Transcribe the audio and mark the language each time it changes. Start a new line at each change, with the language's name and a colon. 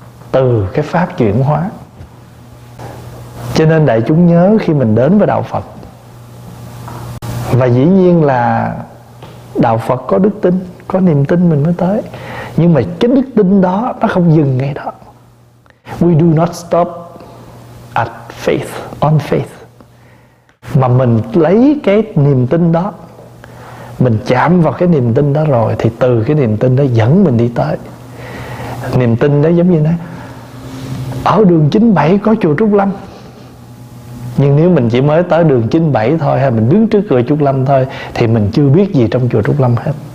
Vietnamese: Từ cái pháp chuyển hóa. Cho nên đại chúng nhớ, khi mình đến với đạo Phật, và dĩ nhiên là đạo Phật có đức tin, có niềm tin mình mới tới. Nhưng mà cái đức tin đó nó không dừng ngay đó.
English: We do not stop at faith, on faith.
Vietnamese: Mà mình lấy cái niềm tin đó, mình chạm vào cái niềm tin đó rồi, thì từ cái niềm tin đó dẫn mình đi tới. Niềm tin đó giống như thế: ở đường 97 có chùa Trúc Lâm. Nhưng nếu mình chỉ mới tới đường 97 thôi, hay mình đứng trước cửa Trúc Lâm thôi, thì mình chưa biết gì trong chùa Trúc Lâm hết.